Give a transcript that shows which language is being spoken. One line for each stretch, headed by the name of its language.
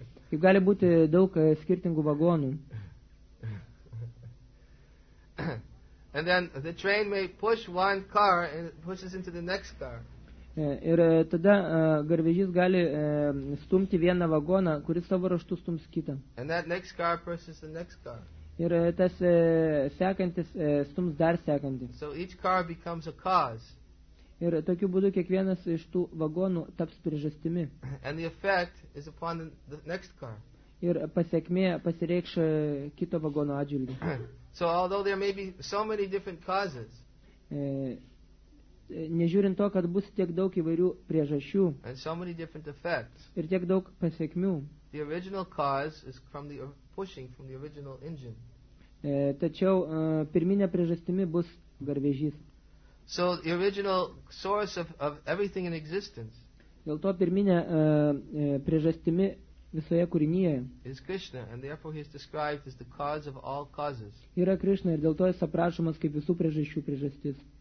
Lithuanian: Kaip gali būti daug skirtingų vagonų.
English: And then the train may push one car and it pushes into the next car.
Lithuanian: Ir tada garvežys gali stumti vieną vagoną, kuris savo raštu stums kitą.
English: And that next car pushes the next car.
Lithuanian: Ir tas sekantis stums dar sekantį.
English: So each car becomes a cause.
Lithuanian: Ir tokiu būdu kiekvienas iš tų vagonų taps priežastimi.
English: And the effect is upon the next car.
Lithuanian: Ir pasekmė pasireikš kito vagono atžvilgiu.
English: So although there may be so many different causes,
Lithuanian: nežiūrint to, kad bus tiek daug įvairių priežasčių
English: and so many different effects,
Lithuanian: ir tiek daug pasekmių,
English: the original cause is from the pushing from the original engine.
Lithuanian: Tačiau pirminė priežastimi bus garvežys.
English: So the original source of everything in existence.
Lithuanian: Dėl to pirminė priežastimi visoje kūrinyje.
English: Is Krishna, and therefore he is described as the cause of all causes.
Lithuanian: Yra Krishna, ir dėl to jis aprašomas kaip visų priežasčių priežastis.